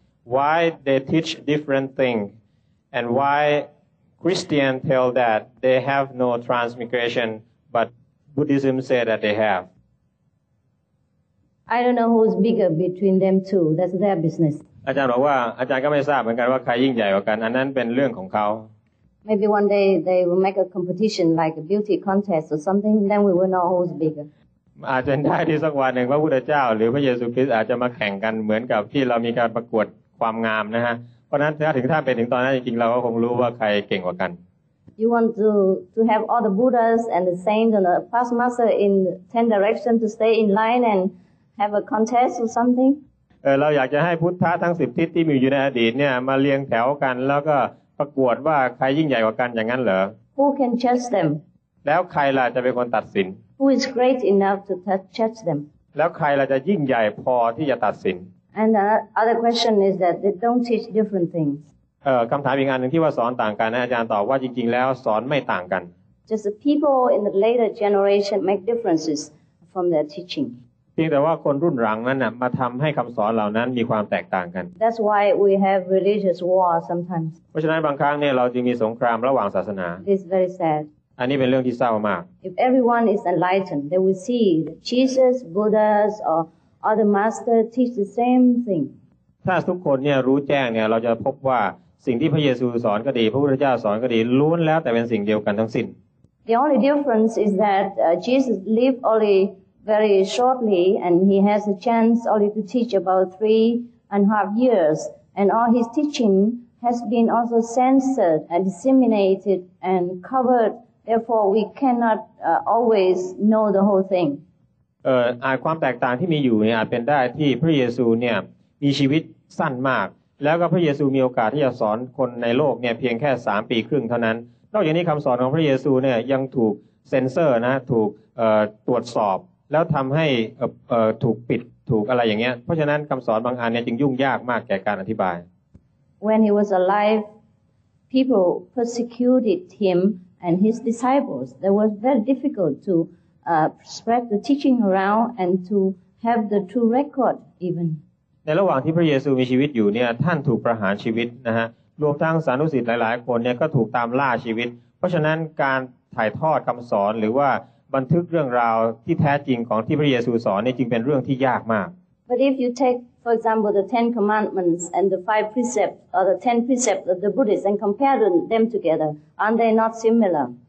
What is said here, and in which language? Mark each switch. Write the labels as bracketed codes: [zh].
[en] Why they teach different things? And whyChristians tell that they have no transmigration, but Buddhism say that they have. I don't know who's bigger between them two. That's their business. [th] อาจารย์บอกว่าอาจารย์ก็ไม่ทราบเหมือนกันว่าใครยิ่งใหญ่กว่ากันอันนั้นเป็นเรื่องของเขา [en] Maybe one day they will make a competition like a beauty contest or something. Then we will know who's bigger. [th] อาจจะได้ที่สักวันหนึ่งพระพุทธเจ้าหรือพระเยซูคริสต์อาจจะมาแข่งกันเหมือนกับที่เรามีการประกวดความงามนะฮะเพราะนั้นถ้าถึงท่านเป็นถึงตอนนั้นจริงๆเราก็คงรู้ว่าใครเก่งกว่ากัน [en] You want to have all the Buddhas and the saints and the past master in 10 directions to stay in line and have a contest or something [th] เราอยากจะให้พุทธะทั้ง10ทิศที่มีอยู่ในอดีตเนี่ยมาเรียงแถวกันแล้วก็ประกวดว่าใครยิ่งใหญ่กว่ากันอย่างนั้นเหรอ [en] Who can judge them [th] แล้วใครล่ะจะเป็นคนตัดสิน [en] Who is great enough to judge them [th] แล้วใครล่ะจะยิ่งใหญ่พอที่จะตัดสิน [en] And the other question is that they don't teach different things. [th] คำถามอีกอันหนึ่งที่ว่าสอนต่างกันนะอาจารย์ตอบว่าจริงๆแล้วสอนไม่ต่างกัน [en] Just the people in the later generation make differences from their teaching. [th] เพียงแต่ว่าคนรุ่นหลังนั้นน่ะมาทำให้คำสอนเหล่านั้นมีความแตกต่างกัน [en] That's why we have religious war sometimes. [th] เพราะฉะนั้นบางครั้งเนี่ยเราจึงมีสงครามระหว่างศาสนา [en] It's very sad. [th] อันนี้เป็นเรื่องที่เศร้ามาก [en] If everyone is enlightened, they will see that Jesus, Buddhas, orother master teach the same thing [th] ถ้าทุกคนเนี่ยรู้แจ้งเนี่ยเราจะพบว่าสิ่งที่พระเยซูสอนก็ดีพระพุทธเจ้าสอนก็ดีล้วนแล้วแต่เป็นสิ่งเดียวกันทั้งสิ้น [en] The only difference is that Jesus lived only very shortly and he has a chance only to teach about 3.5 years and all his teaching has been also censored and disseminated and covered therefore we cannot always know the whole thing [th] ความแตกต่างที่มีอยู่เนี่ยอาจเป็นได้ที่พระเยซูเนี่ยมีชีวิตสั้นมากแล้วก็พระเยซูมีโอกาสที่จะสอนคนในโลกเนี่ยเพียงแค่3ปีครึ่งเท่านั้นนอกจากนี้คำสอนของพระเยซูเนี่ยยังถูกเซ็นเซอร์นะถูกตรวจสอบแล้วทำให้ถูกปิดถูกอะไรอย่างเงี้ยเพราะฉะนั้นคำสอนบางอันเนี่ยจึงยุ่งยากมากแก่การอธิบาย [en] When he was alive people persecuted him and his disciples that was very difficult toSpread the teaching around and to have the true record even. [th] ในระหว่างที่พระเยซูมีชีวิตอยู่เนี่ยท่านถูกประหารชีวิตนะฮะรวมทั้งสานุสิตหลายๆคนเนี่ยก็ถูกตามล่าชีวิตเพราะฉะนั้นการถ่ายทอดคำสอนหรือว่าบันทึกเรื่องราวที่แท้จริงของที่พระเยซูสอนนี่จึงเป็นเรื่องที่ยากมาก [en] But if you take for example the Ten Commandments and the Five Precepts or the Ten Precepts of the Buddhists and compare them together, aren't they not similar?